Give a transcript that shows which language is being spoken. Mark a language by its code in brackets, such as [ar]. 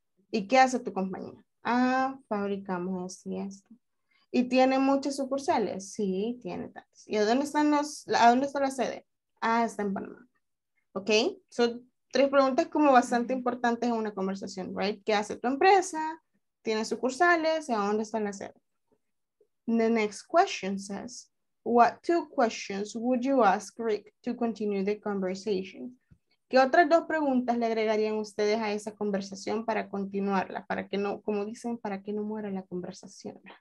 [es] ¿Y qué hace tu compañía? Ah, fabricamos esto y esto. ¿Y tiene muchas sucursales? Sí, tiene tantas. ¿Y dónde están a dónde está la sede? Ah, está en Panamá. ¿Ok? Son tres preguntas como bastante importantes en una conversación, right? ¿Qué hace tu empresa? ¿Tiene sucursales? ¿Y a dónde están las sedes? [en] The next question says, what two questions would you ask Rick to continue the conversation? [es] ¿Qué otras dos preguntas le agregarían ustedes a esa conversación para continuarla? Para que no, como dicen, para que no muera la conversación.